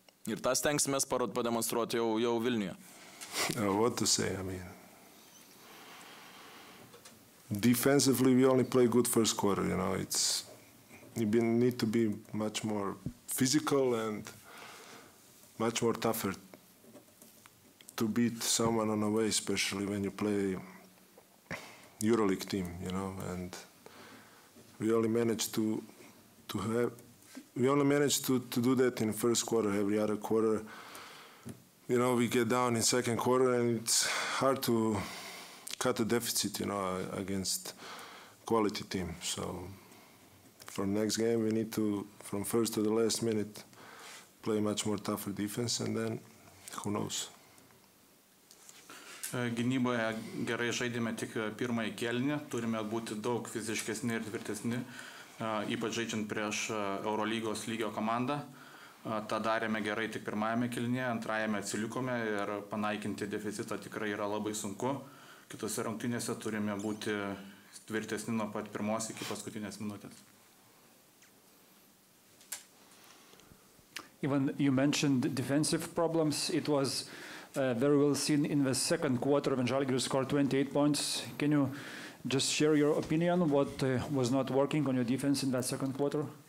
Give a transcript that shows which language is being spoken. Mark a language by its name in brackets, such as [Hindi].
[Lithuanian] Ir tą stengsimės pademonstruoti jau Vilniuje. [English] What to say, I mean? Defensively we only play good first quarter, you know. You need to be much more physical and much more tougher to beat someone on the way, especially when you play EuroLeague team, you know, and we only managed to do that in first quarter. Every other quarter, you know, we get down in second quarter and it's hard to cut a deficit, you know, against quality team. So from next game we need to, from first to the last minute, play much more tougher defense and then who knows. [Lithuanian] Gynyboje gerai žaidėme tik pirmąjį kėlinį, turime būti daug fiziškesni ir tvirtesni, ypač žaidžiant prieš Eurolygos lygio komandą. Tą darėme gerai tik pirmajame kėlinyje, antrajame atsilikome ir panaikinti deficitą tikrai yra labai sunku. Kitose rungtynėse turime būti tvirtesni nuo pat pirmos iki paskutinės minutės. [English] Even you mentioned defensive problems, it was very well seen in the second quarter when Žalgiris scored 28 points. Can you just share your opinion what was not working on your defense in that second quarter?